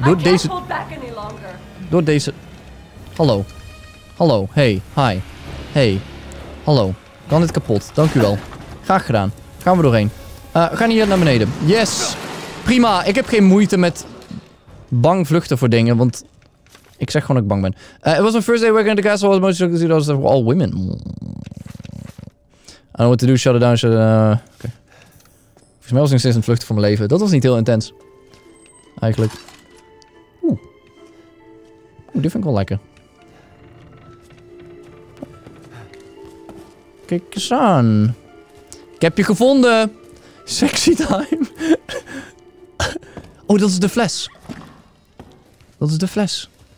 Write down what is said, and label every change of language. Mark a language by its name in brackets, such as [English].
[Dutch] Door deze... Door deze... Hallo. Hallo. Hey. Hi. Hey. Hallo. Kan dit kapot? Dank u wel. Graag gedaan. Gaan we doorheen. Gaan hier naar beneden. Yes. Prima. Ik heb geen moeite met bang vluchten voor dingen, want ik zeg gewoon dat ik bang ben. [English] It was my first day working at the castle. It was all women. I don't know what to do, shut it down, shut it down. Okay. [Dutch] Volgens mij was ik sinds een vluchten voor mijn leven. Dat was niet heel intens. Eigenlijk. Oeh. Oeh, die vind ik wel lekker. Kijk eens aan. Ik heb je gevonden. [English] Sexy time. [Dutch] Oh, dat is de fles. Dat is de fles.